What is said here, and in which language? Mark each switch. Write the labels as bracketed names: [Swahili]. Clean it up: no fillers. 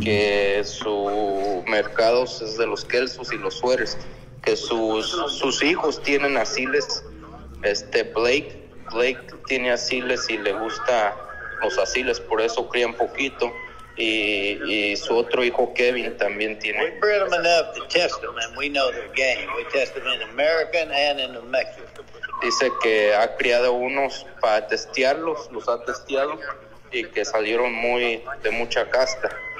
[Spanish] Que su mercado es de los Kelsos y los sweaters, que sus hijos tienen asiles, Blake tiene asiles y le gusta los asiles, por eso cría un poquito. Y su otro hijo Kevin también tiene. [English] We bred them enough to test them, and we know their game. We test them in American and in New Mexico. [Spanish] Dice que ha criado unos para testearlos, los ha testeado y que salieron muy de mucha casta.